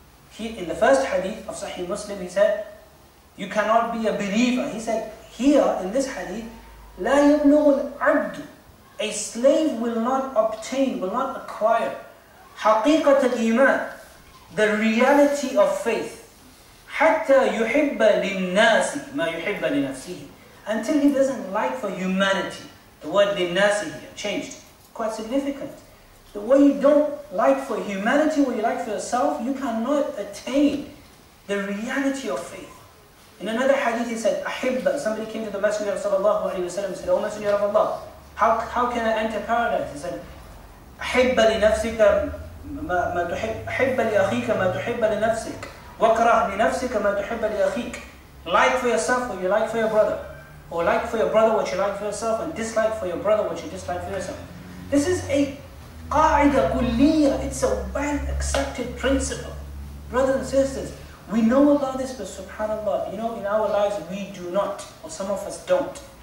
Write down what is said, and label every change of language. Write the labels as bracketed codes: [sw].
[en] Here in the first hadith of Sahih Muslim, he said, you cannot be a believer. He said, here in this hadith, [ar] لا يبلغ العبد. [en] A slave will not obtain, will not acquire [ar] حقيقة الإيمان, [en] the reality of faith. [ar] حتى يحب للناس ما يحب لنفسه. [en] Until he doesn't like for humanity. The word للناس here changed. Quite significant. The way you don't like for humanity, what you like for yourself, you cannot attain the reality of faith. In another hadith, he said, أحب. Somebody came to the Messenger صلى الله عليه وسلم and said, O Messenger of Allah, how can I enter paradise? He said, [ar] أحب لنفسك ما تحب, أحب لأخيك ما تحب لنفسك. وَكْرَهْ لِنَفْسِكَ مَا تُحِبَّ لِأَخِيكَ. [en] Like for yourself what you like for your brother. Or like for your brother what you like for yourself, and dislike for your brother what you dislike for yourself. This is a [ar] قَاعِدَ كُلِّيَّة. [en] It's a well-accepted principle. Brothers and sisters, we know about this, but subhanAllah, you know, in our lives we do not, or some of us don't.